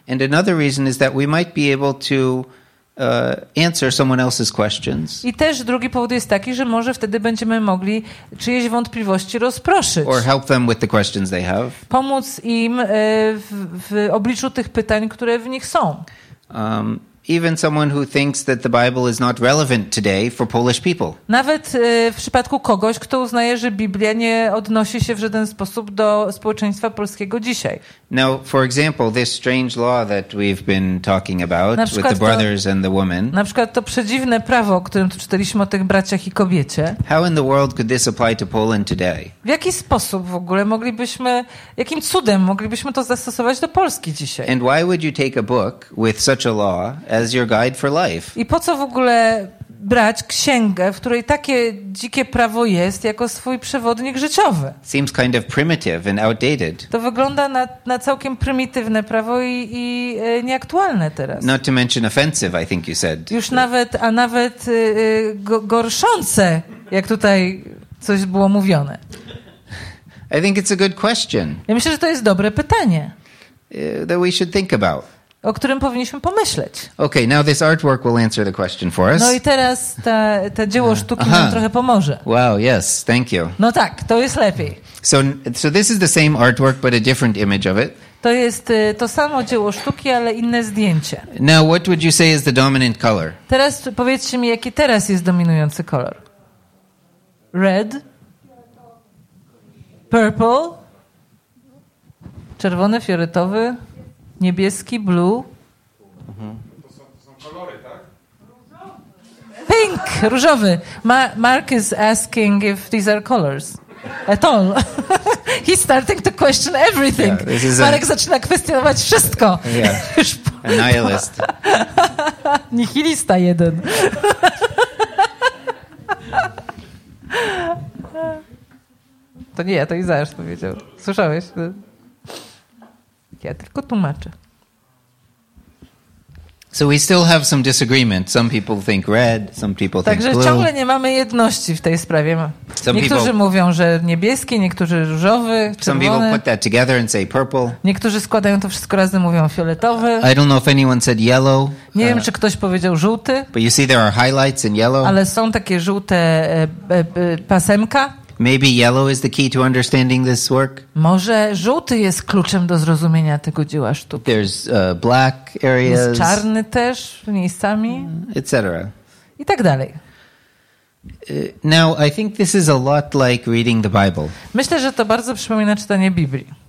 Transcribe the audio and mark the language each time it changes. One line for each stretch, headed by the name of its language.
English: And another reason is that we might be able to answer someone else's questions.
Polish: I też drugi powód jest taki, że może wtedy będziemy mogli czyjeś wątpliwości rozproszyć.
English: Or help them with the questions they have.
Polish: Pomóc im w obliczu tych pytań, które w nich są.
English: Even someone who thinks that the Bible is not relevant today for Polish people.
Polish: Nawet w przypadku kogoś, kto uznaje, że Biblia nie odnosi się w żaden sposób do społeczeństwa polskiego dzisiaj.
English: Now, for example, this strange law that we've been talking about with the brothers and the woman.
Polish: Na przykład to przedziwne prawo, o którym tu czytaliśmy o tych braciach i kobiecie.
English: How in the world could this apply to Poland today?
Polish: W jaki sposób w ogóle moglibyśmy, jakim cudem moglibyśmy to zastosować do Polski dzisiaj?
English: And why would you take a book with such a law as your guide for life?
Polish: I po co w ogóle brać księgę, w której takie dzikie prawo jest, jako swój przewodnik życiowy?
English: Seems kind of primitive and outdated.
Polish: To wygląda na całkiem prymitywne prawo i nieaktualne teraz.
English: Not to mention offensive, I think you said.
Polish: Już nawet, a nawet gorszące, jak tutaj coś było mówione.
English: I think it's a good question.
Polish: Ja myślę, że to jest dobre pytanie.
English: That we should think about.
Polish: O którym powinniśmy pomyśleć.
English: Okay, now this artwork will answer the question for us.
Polish: No i teraz to dzieło sztuki nam trochę pomoże.
English: Wow, yes, thank you.
Polish: No tak, to jest lepiej.
English: So this is the same artwork, but a different image of it.
Polish: To jest to samo dzieło sztuki, ale inne zdjęcie.
English: Now, what would you say is the dominant color?
Polish: Teraz powiedzcie mi, jaki teraz jest dominujący kolor.
English: Red?
Polish: Purple? Czerwony, fioletowy? Niebieski, blue. To są kolory, tak?
English: Pink, różowy. Mark is asking if these are colors. At all. He's starting to question everything. Yeah,
Polish: Marek zaczyna kwestionować wszystko.
English: Yeah. Nihilist.
Polish: Nihilista jeden. To nie ja, to Izajasz powiedział. Słyszałeś? Ja tylko tłumaczę.
English: So we still have some disagreement. Some people think red, some people think blue.
Polish: Także ciągle nie mamy jedności w tej sprawie. Niektórzy mówią, że niebieski, niektórzy różowy, czerwony.
English: Some people put that together and say purple.
Polish: Niektórzy składają to wszystko razem, mówią fioletowy.
English: I don't know if anyone said yellow.
Polish: Nie wiem, czy ktoś powiedział żółty.
English: But you see there are highlights in yellow.
Polish: Ale są takie żółte pasemka.
English: Maybe yellow is the key to understanding this work.
Polish: Może żółty jest kluczem do zrozumienia tego dzieła sztuki.
English: There's black areas.
Polish: Jest czarny też miejscami.
English: Etc.
Polish: I tak dalej.
English: Now I think this is a lot like reading the Bible.
Polish: Myślę, że to bardzo przypomina czytanie Biblii.